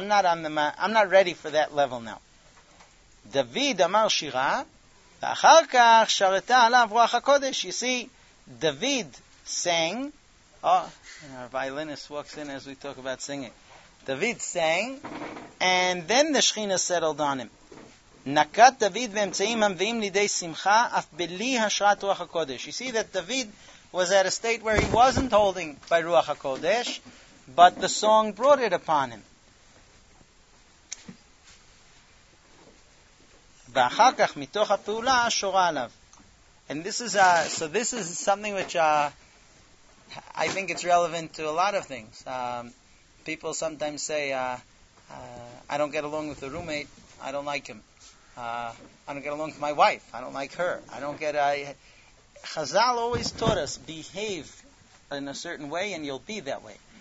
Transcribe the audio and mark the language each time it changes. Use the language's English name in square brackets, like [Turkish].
[English] I'm not ready for that level now. [Hebrew] David amar shira, ואחר כך שרתה עליו רוח הקודש. [English] You see, David sang. Oh, our violinist walks in as we talk about singing. David sang, and then the Shechina settled on him. [Hebrew] נקט דוד באמצעים המביאים לידי שמחה, אף בלי השרת רוח הקודש. [English] You see that David was at a state where he wasn't holding by רוח הקודש, but the song brought it upon him. [Hebrew] ואחר כך מתוך הפעולה שורה עליו. [English] And this is something which I think it's relevant to a lot of things. People sometimes say, I don't get along with the roommate, I don't like him. I don't get along with my wife, I don't like her. Chazal always taught us, behave in a certain way and you'll be that way.